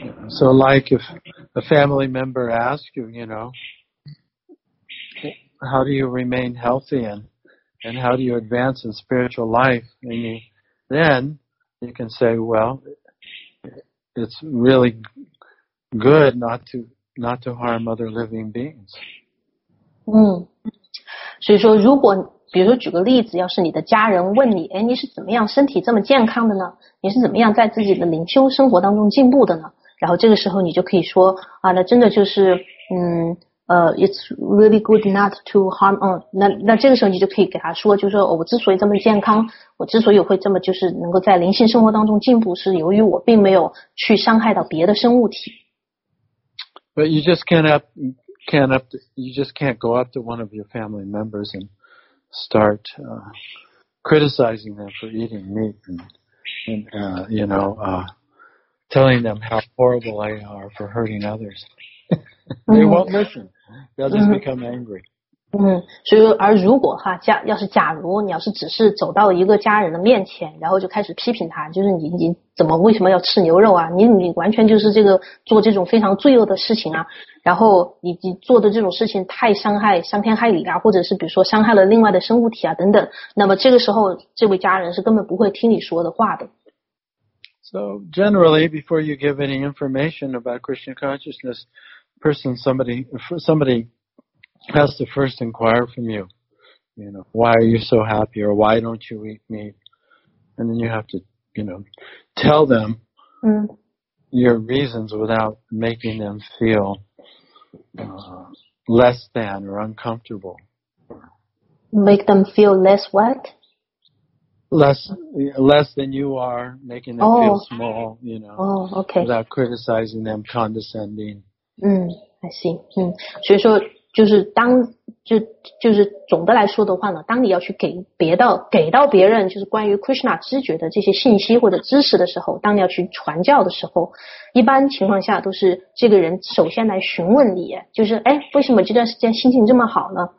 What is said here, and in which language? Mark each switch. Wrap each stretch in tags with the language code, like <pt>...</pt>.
<en>So like if a family member asks you, you know, how do you remain healthy and how do you advance in spiritual life? And then you can say, well, it's really good not to harm other living beings.</en> <zh>所以说如果比如说举个例子，要是你的家人问你，哎，你是怎么样身体这么健康的呢？你是怎么样在自己的灵修生活当中进步的呢？然后这个时候你就可以说啊，那真的就是 it's really good not to harm 那这个时候你就可以给他说，就是说我之所以这么健康，我之所以会这么就是能够在灵性生活当中进步，是由于我并没有去伤害到别的生物体。</zh> <en>But you just can't go up to one of your family members and start criticizing them for eating meat telling them how horrible they are for hurting others. They won't listen. They'll just become angry.</en> <zh>所以而如果哈，要是假如你要是只是走到一个家人的面前，然后就开始批评他，就是你怎么为什么要吃牛肉啊？你完全就是这个做这种非常罪恶的事情啊！然后你做的这种事情太伤天害理啊，或者是比如说伤害了另外的生物体啊等等，那么这个时候这位家人是根本不会听你说的话的。</zh> <en>So generally, before you give any information about Christian consciousness, somebody has to first inquire from you. You know, why are you so happy, or why don't you eat meat? And then you have to, you know, tell them your reasons without making them feel less than or uncomfortable. Make them feel less what? Less than you are, making them feel small, you know. Oh, okay. Without criticizing them, condescending. I see.</en> <zh>所以说就是当就是总的来说的话呢，当你要去给到别人就是关于 Krishna 知觉的这些信息或者知识的时候，当你要去传教的时候，一般情况下都是这个人首先来询问你，就是哎，为什么这段时间心情这么好呢？</zh>